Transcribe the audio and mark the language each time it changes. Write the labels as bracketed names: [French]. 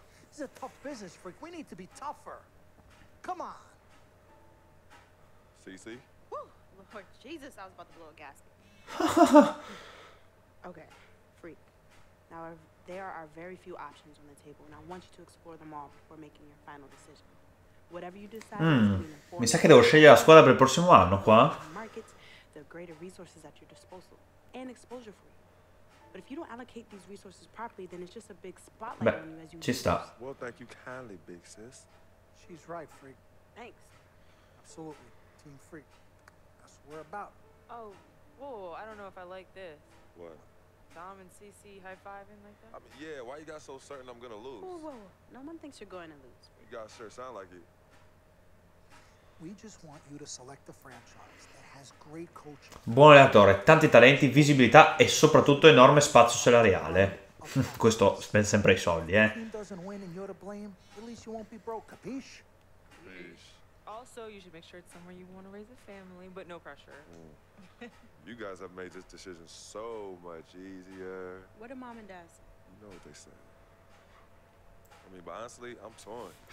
[English] This is a tough business, Freak. We need to be tougher. Come on. CC? Whew, Lord Jesus, I was about to blow a gasket. Okay, Freak. Now, there are very few options on the table, and I want you to explore them all before making your final decision. Whatever you decide... [Italian] Mi sa che devo scegliere la squadra per il prossimo anno, qua. [English] ...the greater resources at your disposal, and exposure for you. But if you don't allocate these resources properly, then it's just a big spotlight [Italian] Beh, [English] on you as you... [Italian] ci sta. [English] Well, thank you kindly, big sis. She's right, Freak. Thanks. Absolutely. Team Freak. That's what we're about. Oh, whoa, I don't know if I like this. What? Dom and CC high-fiving like that? I mean, yeah, why you got so certain I'm gonna lose? Whoa. No one thinks you're going to lose. You guys sure sound like it. We just want you to select the franchise that has great coaching. [Italian] Buon allenatore, tanti talenti, visibilità e soprattutto enorme spazio salariale. Questo spende sempre i soldi, eh. [English] If the team doesn't win and you're to blame, at least you won't be broke, [Italian] capisce? [English] Also, you should make sure it's somewhere you want to raise a family, but no pressure. You guys have made this decision so much easier. What do mom and dad say? You know what they say. I mean, but honestly, I'm torn.